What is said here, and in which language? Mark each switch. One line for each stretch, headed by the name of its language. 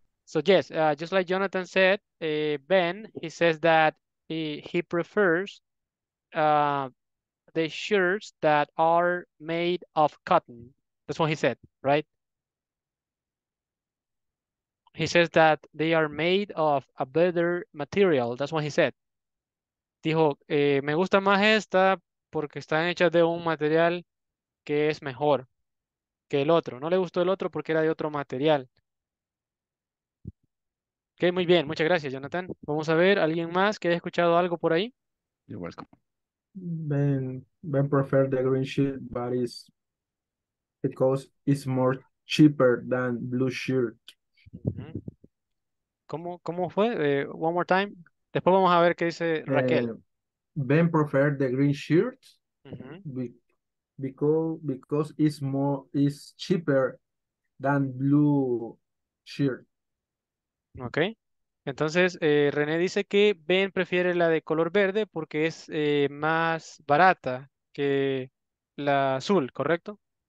English: So yes, just like Jonathan said, Ben, he says that he prefers the shirts that are made of cotton. That's what he said, right? He says that they are made of a better material. That's what he said.
Spanish: Dijo, me gusta más esta porque están hechas de un material que es mejor que el otro. No le gustó el otro porque era de otro material. Ok, muy bien, muchas gracias, Jonathan. Vamos a ver, ¿alguien más que haya escuchado algo por ahí?
English: You're welcome. Ben prefer the green shirt, but it's because it's more cheaper than blue shirt.
Spanish: ¿Cómo fue?
English: One more time.
Spanish: Después vamos a ver qué dice Raquel.
English: Ben prefer the green shirt because it's more is cheaper than blue shirt. Okay.
Spanish: Entonces, René dice que Ben prefiere la de color verde porque es más barata que la azul, ¿correcto?